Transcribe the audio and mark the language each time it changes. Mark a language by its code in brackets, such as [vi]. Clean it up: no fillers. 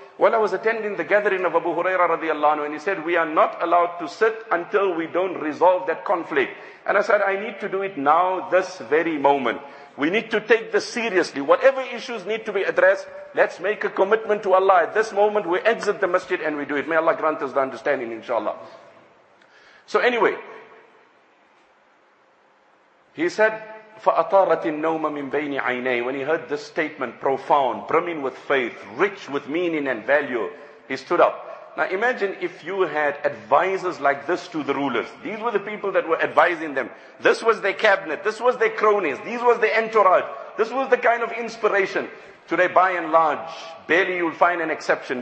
[en] Well, I was attending the gathering of Abu Huraira radiallahu anhu, and he said, we are not allowed to sit until we don't resolve that conflict. And I said, I need to do it now, this very moment. We need to take this seriously. Whatever issues need to be addressed, let's make a commitment to Allah. At this moment, we exit the masjid and we do it. May Allah grant us the understanding, inshallah. So anyway, he said, [ar] فَأَطَارَتِ النَّوْمَ مِنْ بَيْنِ عَيْنَيْهِ. [en] When he heard this statement, profound, brimming with faith, rich with meaning and value, he stood up. Now imagine if you had advisors like this to the rulers. These were the people that were advising them. This was their cabinet. This was their cronies. These was their entourage. This was the kind of inspiration. Today, by and large, barely you'll find an exception.